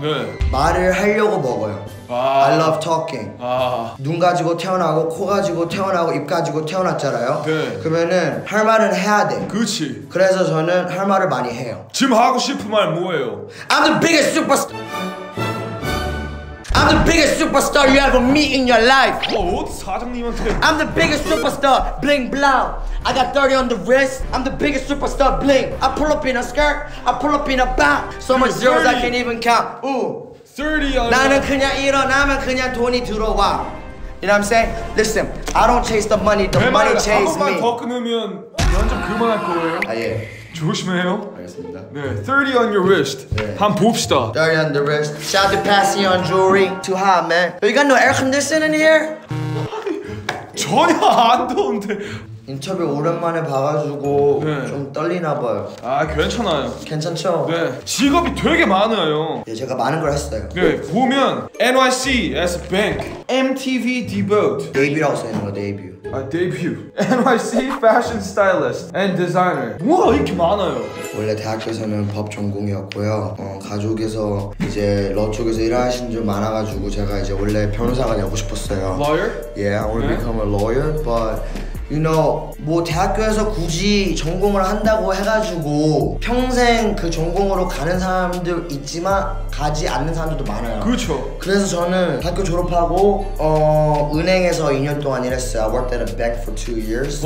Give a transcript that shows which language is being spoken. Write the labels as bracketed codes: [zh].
[ko] 네. 말을 하려고 먹어요. 아. [en] I love talking. [ko] 아. 눈 가지고 태어나고 코 가지고 태어나고 입 가지고 태어났잖아요. 네. 그러면은 할 말은 해야 돼. 그렇지. 그래서 저는 할 말을 많이 해요. 지금 하고 싶은 말 뭐예요? [en] I'm the biggest superstar. I'm the biggest superstar you ever meet in your life. [ko] 어디 사장님한테? [en] I'm the biggest superstar. Bling blow. I got 30 on the wrist. I'm the biggest superstar. Bling. I pull up in a skirt. I pull up in a bat. So much zeros I can't even count. Ooh. 30 [ko] 나는 그냥 일어나면 그냥 돈이 들어와. [en] You know what I'm saying? Listen, I don't chase the money, the money chase me. [ko] 한 번만 더 끊으면 연장 그만할 거예요. 아, 예. 조심해요. 알겠습니다. [en] 네, 30 on your wrist. [ko] 네. 한번 봅시다. [en] 30 on the wrist. Shout to passing on jewelry. Too hot, man. You got no air conditioning in here? [ko] 전혀 안 더운데. 인터뷰 오랜만에 봐가지고 네. 좀 떨리나 봐요. 아, 괜찮아요. 괜찮죠? 네. 직업이 되게 많아요. 네, 제가 많은 걸 했어요. 네, 보면 [en] NYC as a bank, MTV debut. [ko] 데뷔라고 써있는 거, 데뷔. 아, 데뷔. [en] NYC fashion stylist and designer. [ko] 와, 이렇게 많아요. 원래 대학교에서는 법 전공이었고요. 가족에서 이제 러 쪽에서 일하신 분 많아가지고 제가 이제 원래 변호사가 되고 싶었어요. [en] Lawyer? Yeah, I want to become a lawyer, but you know, [ko] 뭐 대학교에서 굳이 전공을 한다고 해가지고 평생 그 전공으로 가는 사람들 있지만 가지 않는 사람들도 많아요. 그렇죠. 그래서 저는 대학교 졸업하고 은행에서 2년 동안 일했어요. [en] I worked at a bank for 2 years.